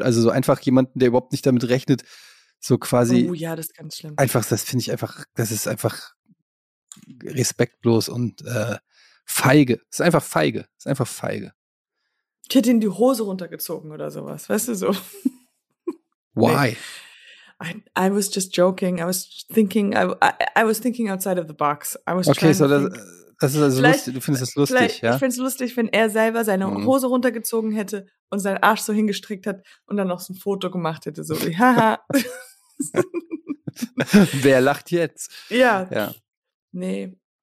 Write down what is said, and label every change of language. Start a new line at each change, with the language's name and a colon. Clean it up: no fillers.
German: Also so einfach jemanden, der überhaupt nicht damit rechnet, so quasi. Oh ja, das ist ganz schlimm. Einfach, das finde ich einfach, das ist einfach respektlos und feige. Es ist einfach feige. Es ist einfach feige. Ich hätte ihn die Hose runtergezogen oder sowas, weißt du so.
English: Why? Nee. I was just joking. I was thinking outside of the box.
German: Das ist also vielleicht, lustig, du findest das lustig, ja? Ich find's lustig, wenn er selber seine Hose runtergezogen hätte und seinen Arsch so hingestreckt hat und dann noch so ein Foto gemacht hätte, so wie, haha. Wer lacht jetzt? Ja. Nee.